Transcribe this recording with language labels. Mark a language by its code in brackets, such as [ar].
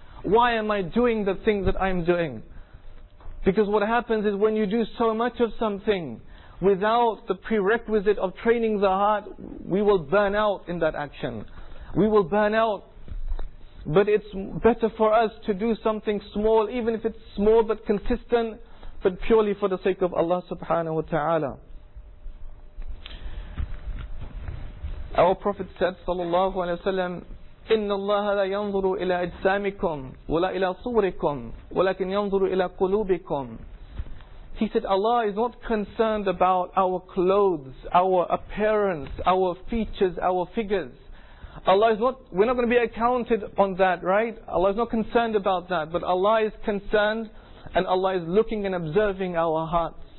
[en] Why am I doing the things that I'm doing? Because what happens is when you do so much of something without the prerequisite of training the heart, we will burn out in that action. We will burn out. But it's better for us to do something small, even if it's small but consistent, but purely for the sake of Allah subhanahu wa ta'ala. Our Prophet said, sallallahu alayhi wa sallam, [ar] إِنَّ اللَّهَ لَا يَنْظُرُ إِلَىٰ أَجْسَامِكُمْ وَلَا إِلَىٰ صُورِكُمْ وَلَكِنْ يَنْظُرُ إِلَىٰ قُلُوبِكُمْ. [en] He said, Allah is not concerned about our clothes, our appearance, our features, our figures. We're not going to be accounted on that, right? Allah is not concerned about that. But Allah is concerned and Allah is looking and observing our hearts.